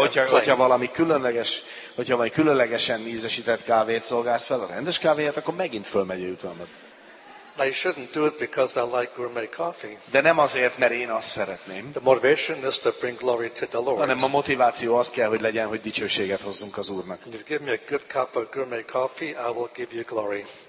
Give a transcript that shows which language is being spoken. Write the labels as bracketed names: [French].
[Hungarian] Hogyha valami különlegesen ízesített kávét szolgálsz fel a rendes kávéját, akkor megint fölmegy a jutalmad. [English] Now you shouldn't do it because I like gourmet coffee. [Hungarian] De nem azért, mert én azt szeretném. [English] The motivation is to bring glory to the Lord. [Hungarian] Hanem a motiváció az kell, hogy legyen, hogy dicsőséget hozzunk az Úrnak. [English] If you give me a good cup of gourmet coffee, I will give you glory.